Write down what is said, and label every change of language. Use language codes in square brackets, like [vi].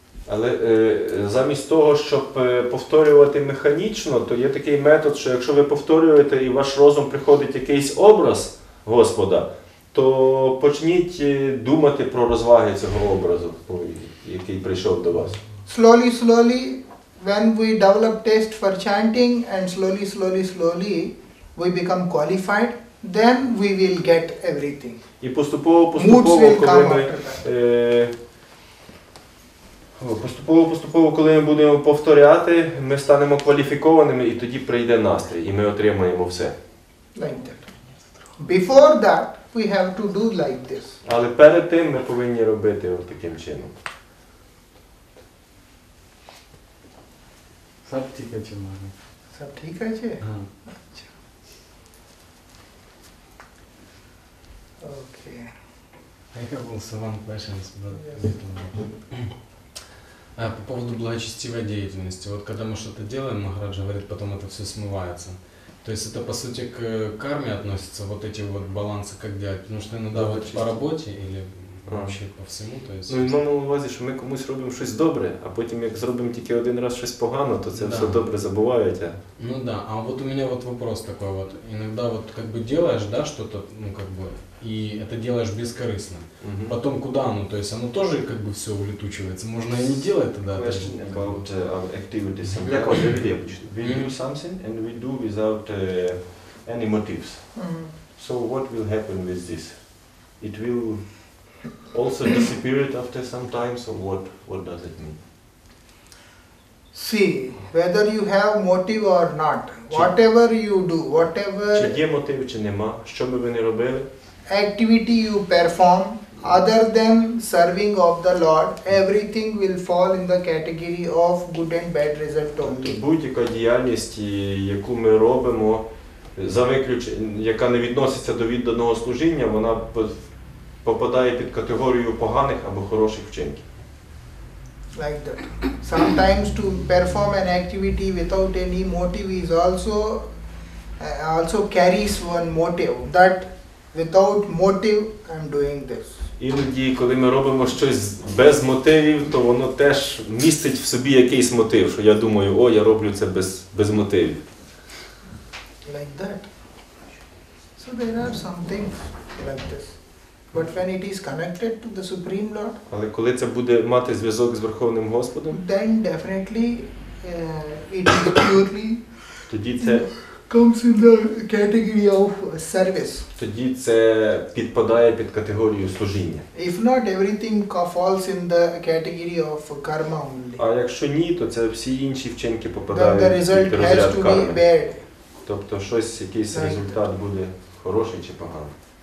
[uk] Але замість того, щоб повторювати механічно, то є такий метод, що якщо ви повторюєте і ваш розум приходить якийсь образ Господа, то почніть думати про розваги цього образу, який прийшов до вас. [en] Slowly, when we develop taste for chanting and slowly, we become qualified, then we will get everything. [uk] І поступово, коли ми... Поступово, коли ми будемо повторяти, ми станемо кваліфікованими, і тоді прийде настрій, і ми отримаємо все. [en] Like that. Before that, we have to do like this. [uk] Але перед тим ми повинні робити от таким чином. Саб тіка чи мами? Саб тіка чи? [en] Окей. I have also one question, but... [ru] По поводу благочестивой деятельности. Вот когда мы что-то делаем, Махарадж говорит, потом это все смывается. То есть это по сути к карме относится, вот эти вот балансы, как делать? Потому что иногда вот по работе или вообще по всему? То есть... Ну, имеем в виду, что мы [uk] комусь робим [ru] что-то доброе, а потом, как сделаем только один раз что-то погано, то это все доброе забывают. Ну да, а вот у меня вот вопрос такой вот. Иногда вот как бы делаешь, да, что-то, ну как бы... И это делаешь бескорыстно. Mm-hmm. Потом куда оно? То есть оно тоже как бы все улетучивается. Можно и не делать тогда. [en] Question [ru] это, [en] about activities. [ru] Как вот люди обычно. [en] We do something and we do without any motives. Mm-hmm. So what will happen with this? It will also disappear after some time. So what does it mean? See, whether you have motive or not, whatever you do, whatever... [uk] Чи є мотив, чи нема, що би ви не робили, [en] activity you perform other than serving of the Lord, everything will fall in the category of good and bad result only. [uk] Будь-яка діяльність, яку ми робимо, за виключення, яка не відноситься до відданого служіння, вона попадає під категорію поганих або хороших вчинків. [en] Like that. Sometimes to perform an activity without any motive is also carries one motive, that without motive, I'm doing this. [uk] Іноді, коли ми робимо щось без мотивів, то воно теж містить в собі якийсь мотив, що я думаю, о, я роблю це без мотивів. [en] Like that. So there are some things like this. But when it is connected to the Supreme Lord, [uk] але коли це буде мати зв'язок з Верховним Господом, [en] then definitely it is purely [uk] тоді це [en] comes in the category of service. [uk] Тоді це підпадає під категорію служіння. [en] If not, everything falls in the category of karma only. [uk] А якщо ні, то це всі інші вчинки попадають під розряд карми. [en] The result has to be bad. [uk] Тобто щось, якийсь like результат that буде хороший чи поганий.